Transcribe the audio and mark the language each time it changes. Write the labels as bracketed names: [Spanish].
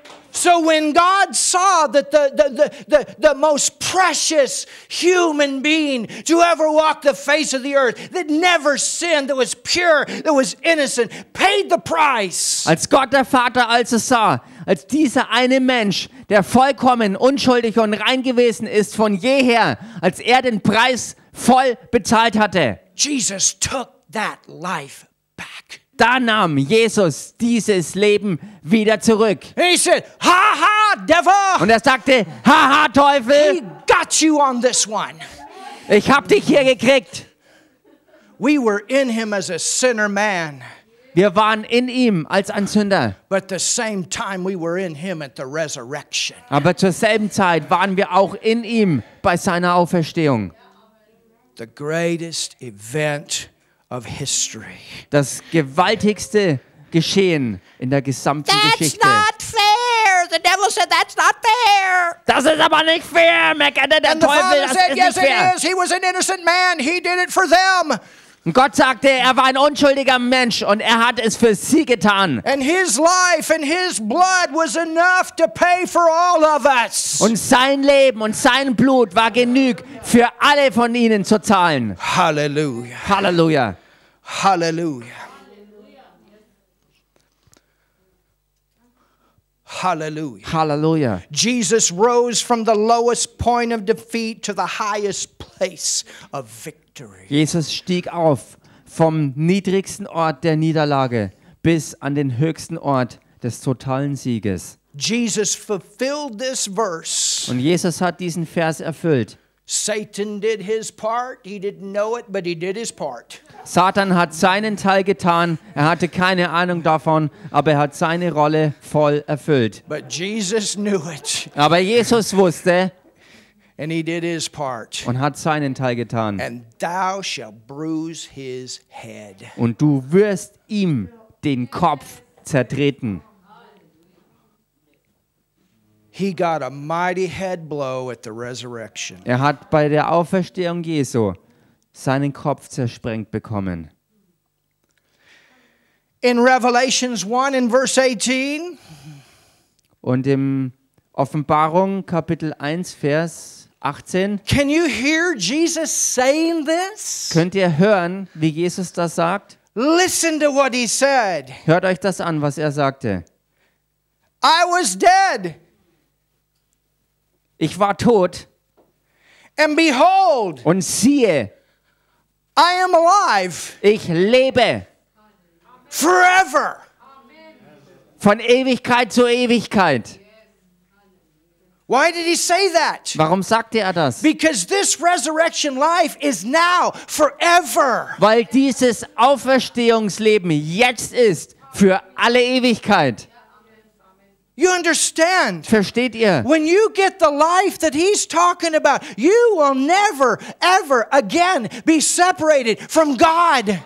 [English] So when God saw that the most precious human being to ever walk the face of the earth, that never sinned, that was pure, that was innocent, paid the price. [German] Als Gott der Vater also sah, als dieser eine Mensch, der vollkommen unschuldig und rein gewesen ist von jeher, als er den Preis voll bezahlt hatte. [English] Jesus took that life back. [German] Da nahm Jesus dieses Leben wieder zurück. [English] He said, ha, ha, devil. [German] Und er sagte, ha, ha, Teufel. [English] He got you on this one. [German] Ich hab dich hier gekriegt. [English] We were in him as a sinner man. [German] Wir waren in ihm als ein Sünder. [English] But the same time we were in him at the resurrection. [German] Aber zur selben Zeit waren wir auch in ihm bei seiner Auferstehung. [English] The greatest event of history. [German] Das gewaltigste Geschehen in der gesamten [English] that's [German] Geschichte. [English] That's not fair. The devil said that's not fair. [German] Das ist aber nicht fair, meckerte der Teufel. Das [English] said, [German] ist [English] yes, [German] nicht fair. [English] It is. He was an innocent man. He did it for them. [German] Und Gott sagte, er war ein unschuldiger Mensch und er hat es für sie getan. [English] And his life and his blood was enough to pay for all of us. [German] Und sein Leben und sein Blut war genug für alle von ihnen zu zahlen. Hallelujah. Hallelujah. Hallelujah. Hallelujah. Hallelujah. [English] Jesus rose from the lowest point of defeat to the highest place of victory. [German] Jesus stieg auf vom niedrigsten Ort der Niederlage bis an den höchsten Ort des totalen Sieges. [English] Jesus fulfilled this verse. [German] Und Jesus hat diesen Vers erfüllt. [English] Satan did his part. He didn't know it, but he did his part. [German] Satan hat seinen Teil getan. Er hatte keine Ahnung davon, aber er hat seine Rolle voll erfüllt. [English] But Jesus knew it. [German] Aber Jesus wusste. [English] And he did his part. [German] Und hat seinen Teil getan. [English] And thou shall bruise his head. [German] Und du wirst ihm den Kopf zertreten. [English] He got a mighty head blow at the resurrection. [German] Er hat bei der Auferstehung Jesu seinen Kopf zersprengt bekommen. [English] In Revelation 1 in verse 18 [German] und im Offenbarung Kapitel 1 Vers 18. [English] Can you hear Jesus saying this? [German] Könnt ihr hören, wie Jesus das sagt? [English] Listen to what he said. [German] Hört euch das an, was er sagte. [English] I was dead. [German] Ich war tot. [English] And behold, [German] und siehe, [English] I am alive. [German] Ich lebe. [English] Forever. [German] Von Ewigkeit zu Ewigkeit. [English] Why did he say that? [German] Warum sagte er das? [English] Because this resurrection life is now, forever. [German] Weil dieses Auferstehungsleben jetzt ist, für alle Ewigkeit. [English] You understand? [German] Versteht ihr? [English] When you get the life that he's talking about, you will never ever again be separated from God.